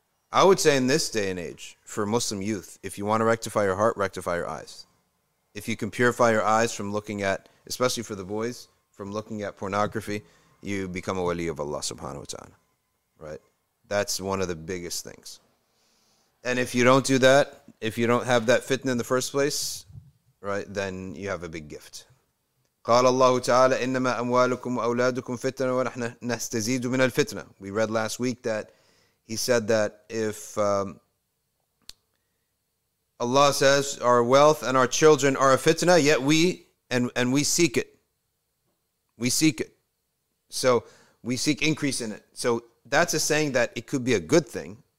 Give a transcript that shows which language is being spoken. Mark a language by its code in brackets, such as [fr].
[en] I would say in this day and age, for Muslim youth, if you want to rectify your heart, rectify your eyes. If you can purify your eyes from looking at, especially for the boys, from looking at pornography, you become a wali of Allah subhanahu wa ta'ala. Right? That's one of the biggest things. And if you don't do that, if you don't have that fitna in the first place, right, then you have a big gift. [ar] قال الله تعالى إنما أموالكم وأولادكم فتنة ونحن نستزيد من الفتنة. [en] We read last week that he said that if Allah says our wealth and our children are a fitna, yet we seek it. So we seek increase in it. So that's a saying that it could be a good thing.